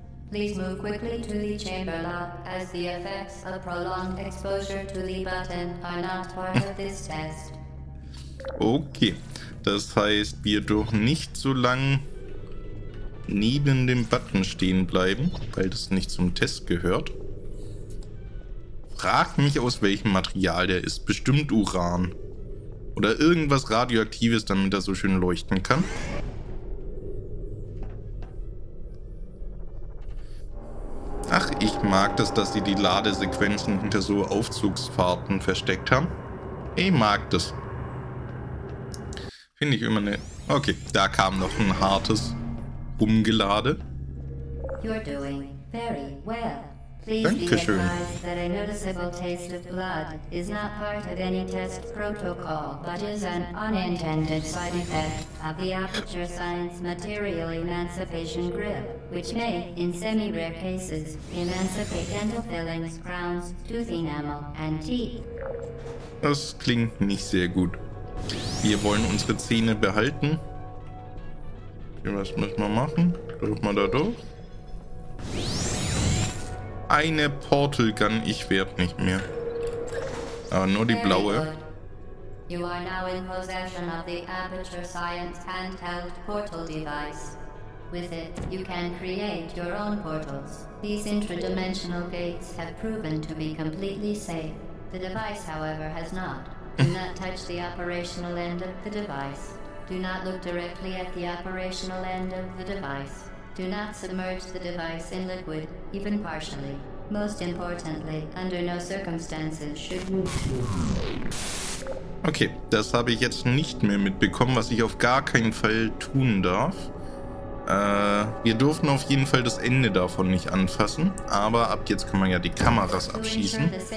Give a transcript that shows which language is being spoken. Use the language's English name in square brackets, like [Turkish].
[English] Please move quickly to the chamber lock, as the effects of prolonged exposure to the button are not part of this test. Okay. [German] Das heißt, wir dürfen nicht so lang neben dem Button stehen bleiben, weil das nicht zum Test gehört. Frag mich, aus welchem Material der ist. Bestimmt Uran. Oder irgendwas Radioaktives, damit er so schön leuchten kann. Ach, ich mag das, dass sie die Ladesequenzen hinter so Aufzugsfahrten versteckt haben. Ich mag das. Finde ich immer ne. Okay, da kam noch ein hartes Rumgelade. [English] You're doing very well. Please [German] Dankeschön. [English] Be advised that a noticeable taste of blood is not part of any test protocol, but is an unintended side effect of the Aperture Science Material Emancipation Grip, which may, in semi-rare cases, emancipate dental fillings, crowns, tooth enamel, and teeth. [German] Das klingt nicht sehr gut. Wir wollen unsere Zähne behalten. Was müssen wir machen? Drücken wir da durch. Eine Portal Gun, ich werde nicht mehr. Aber nur die blaue. [English] You are now in possession of the Aperture Science handheld portal device. With it, you can create your own portals. These intradimensional gates have proven to be completely safe. The device, however, has not. Do not touch the operational end of the device. Do not look directly at the operational end of the device. Do not submerge the device in liquid, even partially. Most importantly, under no circumstances should you... [German] Okay, das habe ich jetzt nicht mehr mitbekommen, was ich auf gar keinen Fall tun darf. Wir durften auf jeden Fall das Ende davon nicht anfassen, aber ab jetzt kann man ja die Kameras abschießen.